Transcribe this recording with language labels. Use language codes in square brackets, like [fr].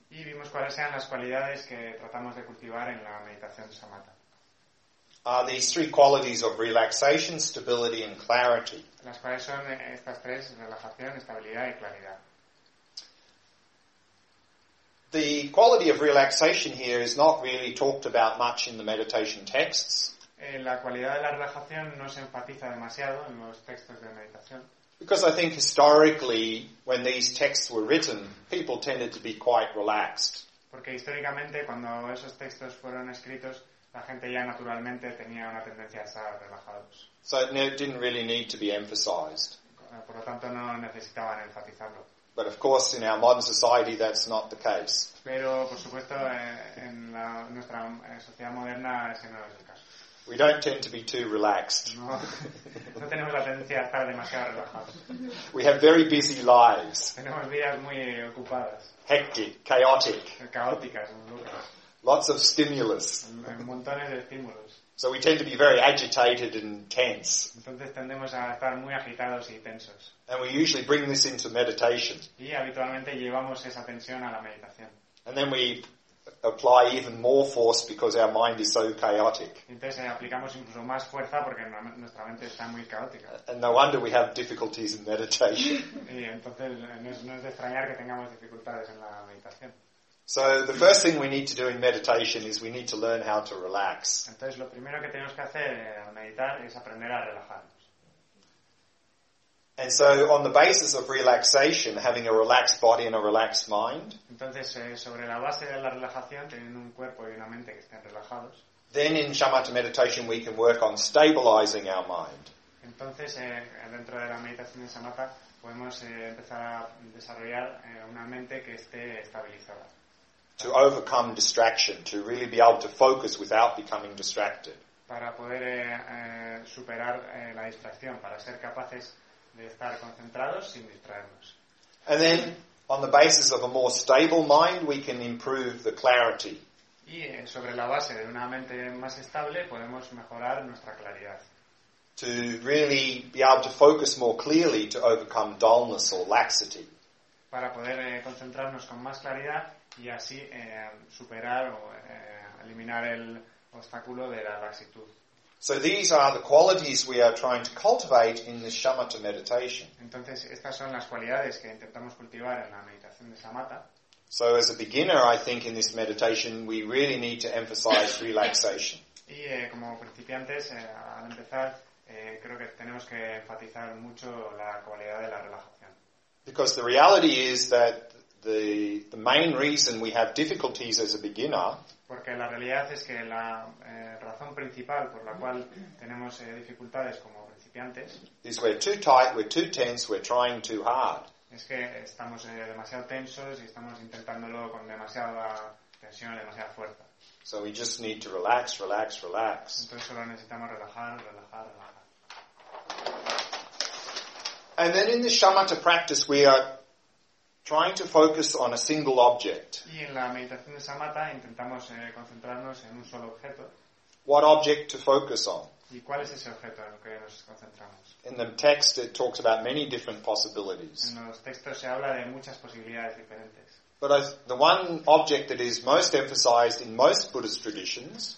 [es] Y vimos cuáles sean las cualidades que tratamos de cultivar en la meditación shamatha. [en] Are these three qualities of relaxation, stability and clarity. [es] Las cuales son estas tres: relajación, estabilidad y claridad. [en] The quality of relaxation here is not really talked about much in the meditation texts. [es] La cualidad de la relajación no se enfatiza demasiado en los textos de meditación. [en] Because I think historically, when these texts were written, people tended to be quite relaxed. [es] Porque históricamente, cuando esos textos fueron escritos, la gente ya naturalmente tenía una tendencia a estar relajados. [en] So it didn't really need to be emphasized. [es] Por lo tanto, no necesitaban enfatizarlo. [en] But of course, in our modern society, that's not the case. [es] Pero, por supuesto, en nuestra sociedad moderna, ese no es el caso. [en] We don't tend to be too relaxed. [es] No, no tenemos la tendencia a estar demasiado relajados. [en] We have very busy lives. [es] Tenemos vidas muy ocupadas. [en] Hectic, chaotic. [es] Caóticas, muy locas. [en] Lots of stimulus. [es] Montones de estímulos. [en] So we tend to be very agitated and tense. [es] Entonces tendemos a estar muy agitados y tensos. [en] And we usually bring this into meditation. [es] Y habitualmente llevamos esa tensión a la meditación. [en] And then we apply even more force because our mind is so chaotic. [es] Entonces aplicamos incluso más fuerza porque nuestra mente está muy caótica. [en] And no wonder we have difficulties in meditation. [es] Y entonces no es de extrañar que tengamos dificultades en la meditación. [en] So the first thing we need to do in meditation is we need to learn how to relax. [es] Entonces lo primero que tenemos que hacer al meditar es aprender a relajarnos. [en] And so on the basis of relaxation, having a relaxed body and a relaxed mind. [es] Entonces sobre la base de la relajación, teniendo un cuerpo y una mente que estén relajados. [en] Then in shamatha meditation we can work on stabilizing our mind. [es] Entonces dentro de la meditación de shamatha podemos empezar a desarrollar una mente que esté estabilizada. [en] To overcome distraction, to really be able to focus without becoming distracted. [es] Para poder superar la distracción, para ser capaces de estar concentrados sin distraernos. [en] And then, on the basis of a more stable mind, we can improve the clarity. [es] Y sobre la base de una mente más estable, podemos mejorar nuestra claridad. [en] To really be able to focus more clearly to overcome dullness or laxity. [es] Para poder concentrarnos con más claridad y así superar o eliminar el obstáculo de la laxitud. [en] So these are the qualities we are trying to cultivate in the shamatha meditation. [es] Entonces estas son las cualidades que intentamos cultivar en la meditación de shamatha. [en] So as a beginner, I think in this meditation we really need to emphasize relaxation. [es] Y como principiantes al empezar creo que tenemos que enfatizar mucho la cualidad de la relajación. [en] Because the reality is that the main reason we have difficulties as a beginner. [es] Porque la realidad es que la razón principal por la cual tenemos dificultades como principiantes [en] is we're too tight, we're too tense, we're trying too hard. [es] Es que estamos demasiado tensos y estamos intentándolo con demasiada tensión, demasiada fuerza. [en] So we just need to relax, relax, relax. [es] Entonces solo necesitamos relajar, relajar, relajar. [en] And then in the shamatha practice we are trying to focus on a single object. [es] Y en la meditación de shamatha intentamos concentrarnos en un solo objeto. [en] What object to focus on? [es] ¿Y cuál es ese objeto en el que nos concentramos? [en] In the text it talks about many different possibilities. [es] En los textos se habla de muchas posibilidades diferentes. [en] But the one object that is most emphasized in most Buddhist traditions,